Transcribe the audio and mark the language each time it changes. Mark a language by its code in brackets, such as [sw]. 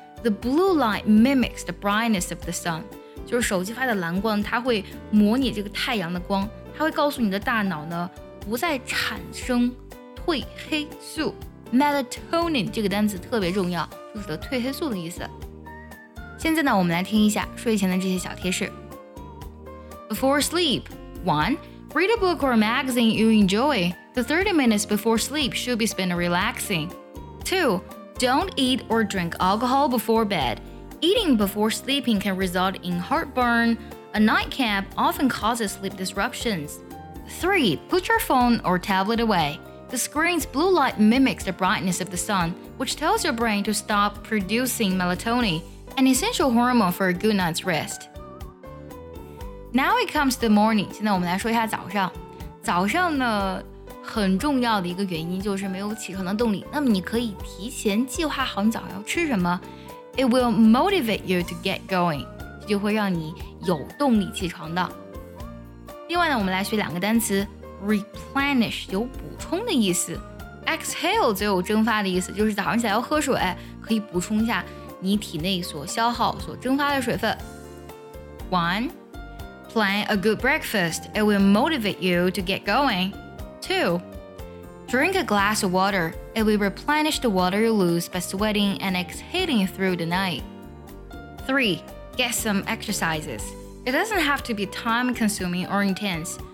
[en] The blue light mimics the brightness of the sun， [zh] 就是手机发的蓝光，它会模拟这个太阳的光。它会告诉你的大脑呢，不再产生褪黑素。 Melatonin 这个单词特别重要，就是的褪黑素的意思。现在呢，我们来听一下睡前的这些小贴士。 [en] Before sleep, 1. Read a book or a magazine you enjoy. The 30 minutes before sleep should be spent relaxing. 2. Don't eat or drink alcohol before bed. Eating before sleeping can result in heartburn. A nightcap often causes sleep disruptions. 3. Put your phone or tablet away. The screen's blue light mimics the brightness of the sun, which tells your brain to stop producing melatonin, an essential hormone for a good night's rest. Now it comes to the morning. [zh] 现在我们来说一下早上。早上呢，很重要的一个原因就是没有起床的动力。那么你可以提前计划好你早上要吃什么。 [en] It will motivate you to get going. [zh] 就会让你有动力起床的。另外呢，我们来学两个单词 ，replenish 有补充的意思 ，exhale 则有蒸发的意思，就是早上起来要喝水，可以补充一下你体内所消耗、所蒸发的水分。 [en] One, plan a good breakfast. It will motivate you to get going. Two, drink a glass of water. It will replenish the water you lose by sweating and exhaling through the night. Three. Get some exercises. It doesn't have to be time-consuming or intense.